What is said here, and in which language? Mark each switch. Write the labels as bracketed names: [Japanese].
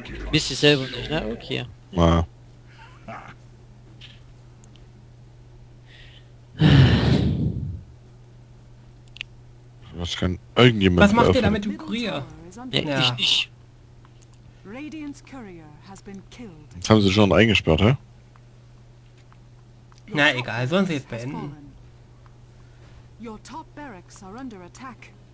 [German] Wisst ihr selber nicht, ne? Okay. Ja. Was kann irgendjemand? Was macht ihr damit, du Kurier? Ja. Ich. [English] Radiance Courier has been killed. [German] Jetzt haben sie schon eingesperrt, hä? Na egal, sollen sie jetzt beenden. [English] Your top barracks are under attack.